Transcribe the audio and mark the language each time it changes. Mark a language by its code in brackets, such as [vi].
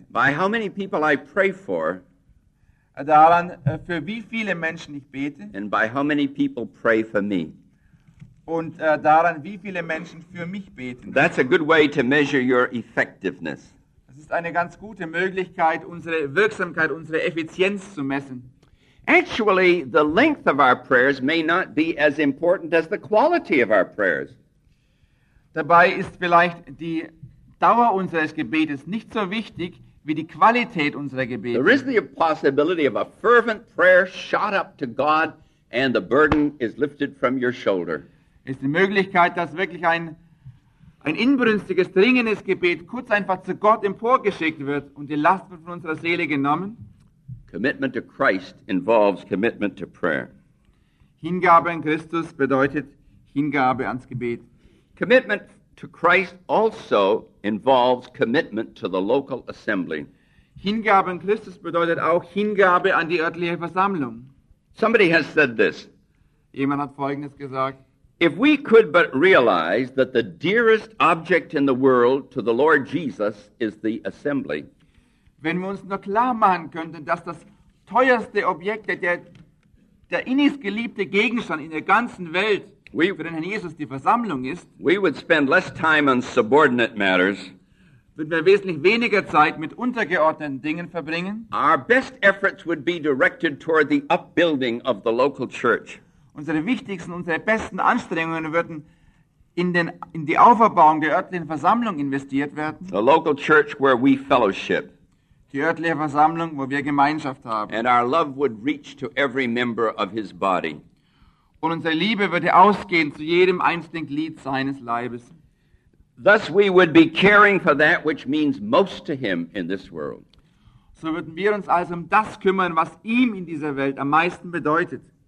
[en] by how many people I pray for, [de] daran, für wie viele Menschen ich bete, [en] and by how many people pray for me. [de] Und daran, wie viele Menschen für mich beten. [en] That's a good way to measure your effectiveness. [de] Das ist eine ganz gute Möglichkeit, unsere Wirksamkeit, unsere Effizienz zu messen. [en] Actually, the length of our prayers may not be as important as the quality of our prayers. [de] Dabei ist vielleicht die Dauer unseres Gebetes nicht so wichtig wie die Qualität unserer Gebete. [en] There is the possibility of a fervent prayer shot up to God and the burden is lifted from your shoulder. [de] Es ist die Möglichkeit, dass wirklich ein inbrünstiges, dringendes Gebet kurz einfach zu Gott emporgeschickt wird und die Last wird von unserer Seele genommen. [en] Commitment to Christ involves commitment to prayer. [de] Hingabe an Christus bedeutet Hingabe ans Gebet. [en] Commitment to Christ also involves commitment to the local assembly. [de] Hingabe an Christus bedeutet auch Hingabe an die örtliche Versammlung. [en] Somebody has said this. [de] Jemand hat Folgendes gesagt. [en] If we could but realize that the dearest object in the world to the Lord Jesus is the assembly. [de] Wenn wir uns nur klar machen könnten, dass das teuerste Objekt, der innigst geliebte Gegenstand in der ganzen Welt für den Herrn Jesus die Versammlung ist, [en] we would spend less time on subordinate matters. [de] Würden wir wesentlich weniger Zeit mit untergeordneten Dingen verbringen. [en] Our best efforts would be directed toward the upbuilding of the local church. [de] Unsere wichtigsten, unsere besten Anstrengungen würden in die Auferbauung der örtlichen Versammlung investiert werden. [en] The local church where we fellowship. [de] Die örtliche Versammlung, wo wir Gemeinschaft haben. [en] And our love would reach to every member of his body. [de] Und unsere Liebe würde ausgehen zu jedem einzelnen Glied seines Leibes. [en] Thus we would be caring for that which means most to him in this world. [de] So würden wir uns also um das kümmern, was ihm in dieser Welt am meisten bedeutet.